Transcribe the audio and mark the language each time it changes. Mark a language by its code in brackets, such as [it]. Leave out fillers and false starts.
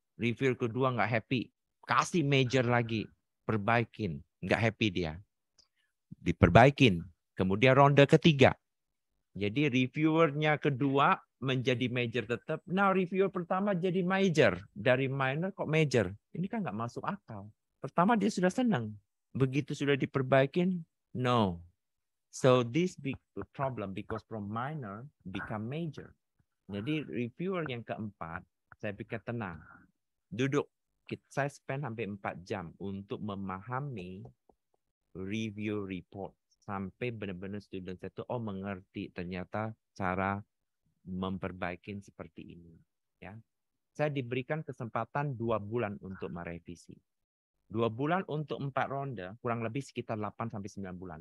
[id] Review kedua enggak happy, kasih major lagi, perbaikin. Nggak happy dia. diperbaikin. Kemudian ronde ketiga. Jadi reviewernya kedua menjadi major tetap. [en] Now [id] reviewer pertama jadi major. Dari minor kok major? Ini kan nggak masuk akal. Pertama dia sudah senang. Begitu sudah diperbaikin, [en] no. So this big problem because from minor become major. [id] Jadi reviewer yang keempat, saya pikir tenang. Duduk. Saya spend sampai 4 jam untuk memahami review report. Sampai benar-benar student saya itu, oh mengerti ternyata cara memperbaiki seperti ini. Ya. Saya diberikan kesempatan 2 bulan untuk merevisi. 2 bulan untuk 4 ronde, kurang lebih sekitar 8-9 bulan.